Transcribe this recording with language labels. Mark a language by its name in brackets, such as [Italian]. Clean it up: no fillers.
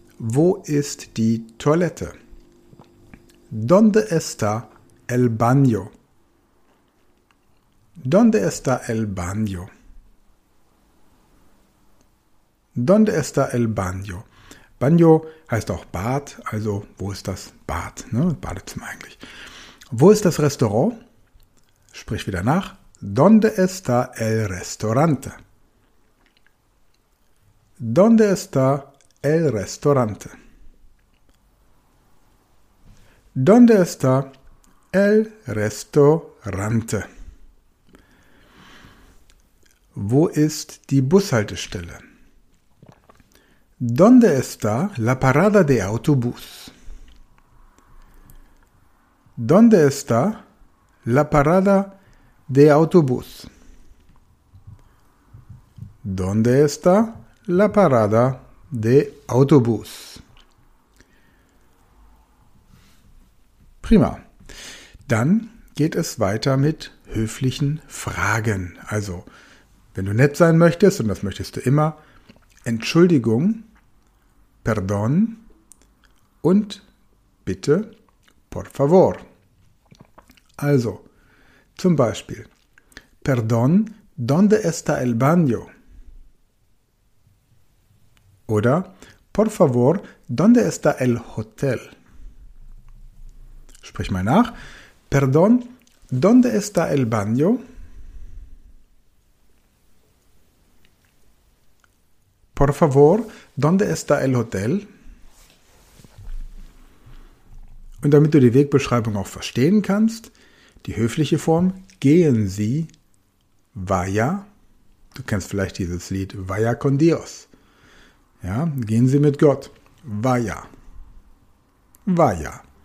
[German] Wo ist die Toilette? [Spanish] ¿Dónde está el baño? ¿Dónde está el baño? ¿Dónde está el baño? [German] Baño heißt auch Bad, also wo ist das Bad? Ne? Badezimmer eigentlich. Wo ist das Restaurant? Sprich wieder nach. [Spanish] ¿Dónde está el restaurante? ¿Dónde está el restaurante? ¿Dónde está el restaurante? [German] Wo ist die Bushaltestelle? [Spanish] ¿Dónde está la parada de autobús? ¿Dónde está la parada de autobús? ¿Dónde está la parada de autobús? [German] Prima. Dann geht es weiter mit höflichen Fragen. Also, wenn du nett sein möchtest, und das möchtest du immer, Entschuldigung, perdón und bitte, por favor. Also, zum Beispiel, [Spanish] perdón, ¿dónde está el baño? Oder, por favor, ¿dónde está el hotel? [German] Sprich mal nach. [Spanish] Perdón, ¿dónde está el baño? Por favor, ¿dónde está el hotel? [German] Und damit du die Wegbeschreibung auch verstehen kannst, die höfliche Form, gehen Sie, vaya, du kennst vielleicht dieses Lied, [Spanish] vaya con Dios. [German] Ja, gehen Sie mit Gott. Vaya. Vaya.